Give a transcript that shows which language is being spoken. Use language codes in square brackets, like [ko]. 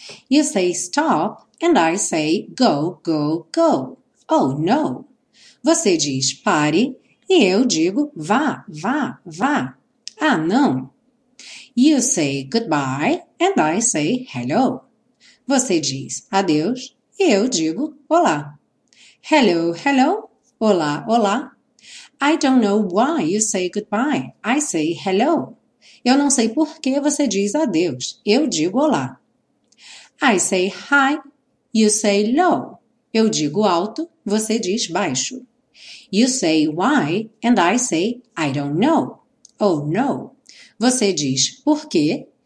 [en] You say stop, and I say go, go, go. Oh, no. [pt] Você diz pare, e eu digo vá, vá, vá. Ah, não. [en] You say goodbye, and I say hello. [pt] Você diz adeus, e eu digo olá. [en] Hello, hello. [pt] Olá, olá. [en] I don't know why you say goodbye. I say hello. [pt] Eu não sei por que você diz adeus. Eu digo olá. [en] I say hi. You say low. [pt] Eu digo alto. Você diz baixo. [en] You say why. And I say I don't know. Oh, no. [pt] Você diz por quê.